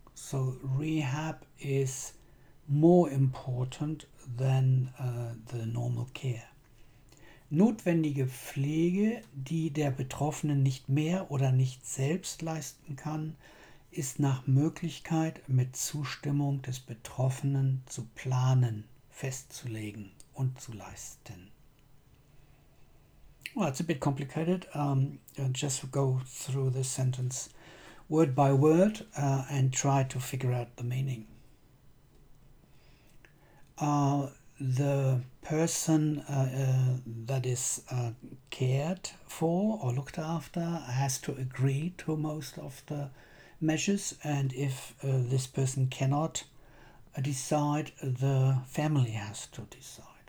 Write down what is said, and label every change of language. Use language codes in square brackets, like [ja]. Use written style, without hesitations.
[en] So rehab is more important than the normal care. [de] Notwendige Pflege, die der Betroffene nicht mehr oder nicht selbst leisten kann, ist nach Möglichkeit mit Zustimmung des Betroffenen zu planen, festzulegen und zu leisten. [en] Well, it's a bit complicated. Just go through this sentence word by word and try to figure out the meaning. The person that is cared for or looked after has to agree to most of the measures, and if this person cannot decide, the family has to decide.